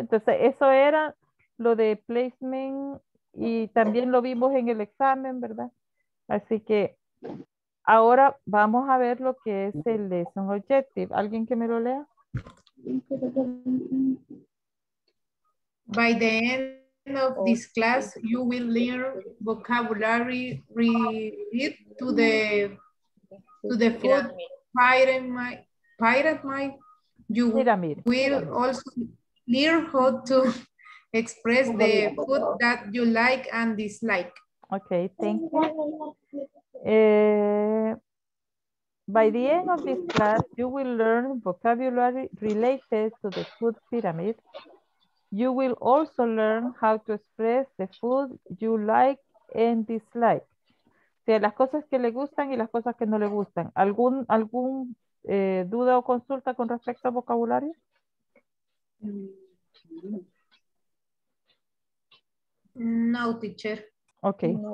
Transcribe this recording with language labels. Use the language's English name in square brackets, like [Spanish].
[Spanish] Entonces, eso era lo de placement y también lo vimos en el examen, ¿verdad? Así que ahora vamos a ver lo que es el lesson objective. ¿Alguien que me lo lea? [English] By the end of this class, you will learn vocabulary related to the food pyramid. You will also learn how to express the food that you like and dislike. Okay, thank you. By the end of this class, you will learn vocabulary related to the food pyramid. You will also learn how to express the food you like and dislike. [Spanish] O sea, las cosas que le gustan y las cosas que no le gustan. ¿Algún duda o consulta con respecto al vocabulario? [English] No, teacher. Ok.